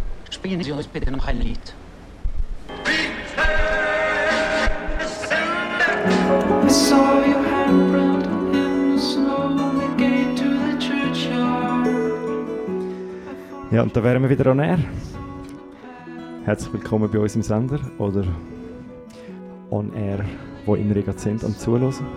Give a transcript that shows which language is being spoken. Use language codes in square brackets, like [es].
[de] Spielen Sie uns bitte noch ein Lied. [en] I saw your hand brown in the snow on the gate to the churchyard. [de] Ja, und da wären wir wieder an air. Herzlich willkommen bei uns im Sender oder on air, wo immer ihr gerade sind, am Zuhören.